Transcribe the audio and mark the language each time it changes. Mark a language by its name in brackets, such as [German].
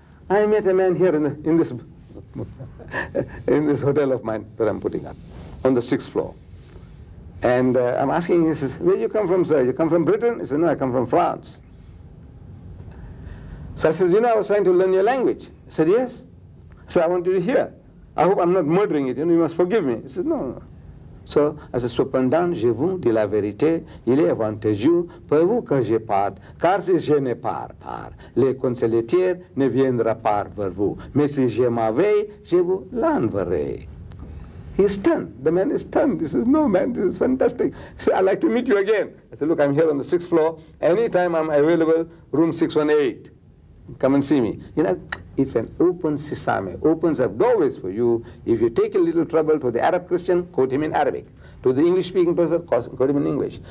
[English] I met a man here in this hotel of mine that I'm putting up, on the sixth floor. And I'm asking, he says, where you come from, sir? You come from Britain? He says, no, I come from France. So I says, you know, I was trying to learn your language. He said, yes. I said, I want you to hear. I hope I'm not murdering it. You know, you must forgive me. He says, no, no. So I said, [French] cependant, je vous dis la vérité, il est avantageux pour vous que je parte, car si je ne pars pas, le conseiller ne viendra pas vers vous. Mais si je m'en vais, je vous l'enverrai. [English] He's stunned. The man is stunned. He says, no, man, this is fantastic. He said, I'd like to meet you again. I said, look, I'm here on the sixth floor. Anytime I'm available, room 618. Come and see me. You know, it's an open sesame. Opens up doorways for you. If you take a little trouble to the Arab Christian, quote him in Arabic. To the English-speaking person, quote him in English.